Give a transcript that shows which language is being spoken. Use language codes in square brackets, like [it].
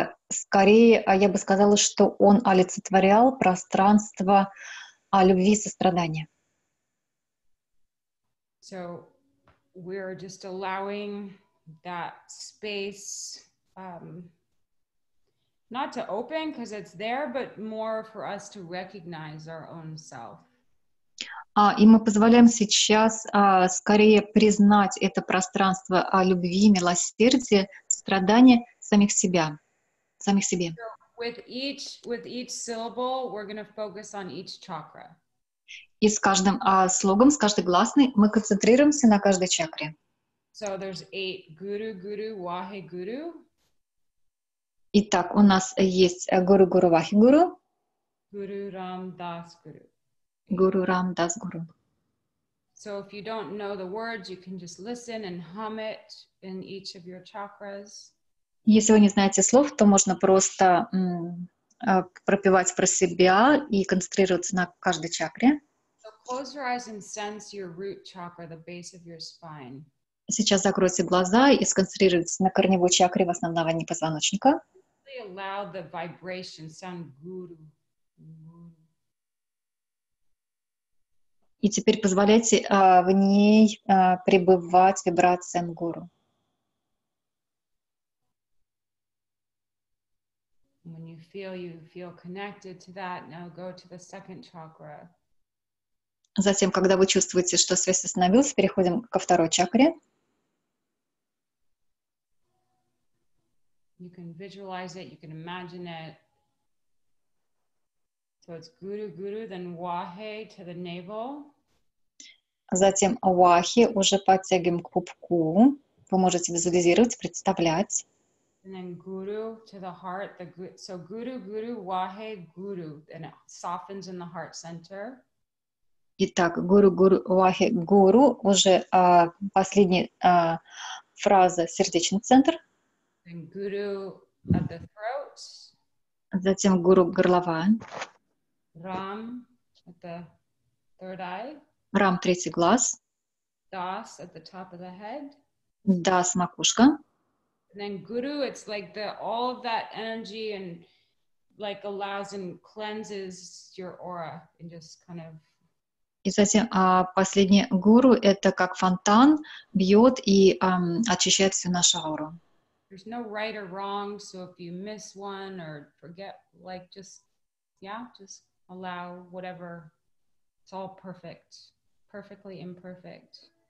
[ru] Скорее, я бы сказала, что он олицетворял пространство любви и сострадания. [en] So we're just allowing that space not to open because it's there, but more for us to recognize our own self. [ru] И мы позволяем сейчас скорее признать это пространство любви, милосердия, страдания самих себя, самих себе. [en] With each syllable, we're gonna focus on each chakra. [ru] И с каждым слогом, с каждой гласной мы концентрируемся на каждой чакре. [en] So there's 8 guru, guru, wahe guru. [ru] Итак, у нас есть guru, guru, wahe guru. [pa] Guru Ram Das Guru. Guru Ram Das Guru. [en] So if you don't know the words, you can just listen and hum it in each of your chakras. [ru] Если вы не знаете слов, то можно просто пропевать про себя и концентрироваться на каждой чакре. [en] So close your eyes and sense your root chakra, the base of your spine. [ru] Сейчас закройте глаза и сконцентрируйтесь на корневой чакре в основании позвоночника. [en] Really allow the vibration sound guru. [ru] И теперь позволяйте в ней пребывать вибрациям гуру. [en] When you feel connected to that, now go to the second chakra. [ru] Затем, когда вы чувствуете, что связь остановилась, переходим ко второй чакре. [en] You can visualize it, you can imagine it. So it's guru guru, then wahe to the navel. [ru] Затем вахи уже подтягиваем к пупку, вы можете визуализировать, представлять. [en] And then guru to the heart, the guru, so guru, guru, wahe, guru, and it softens in the heart center. [ru] Итак, guru, guru, wahe, guru, уже последняя фраза, сердечный центр. [en] Then guru at the throat. [ru] Затем guru, горловая. [en] Ram at the third eye. [ru] Ram, третий глаз. [en] Das at the top of the head. [ru] Das, макушка. [en] And then guru, it's like the all of that energy and like allows and cleanses your aura and just kind of. [ru] И затем последнее guru, это как фонтан бьет и очищает всю нашу ауру. [en] There's no right or wrong, so if you miss one or forget, like just allow whatever. It's all perfect, perfectly imperfect.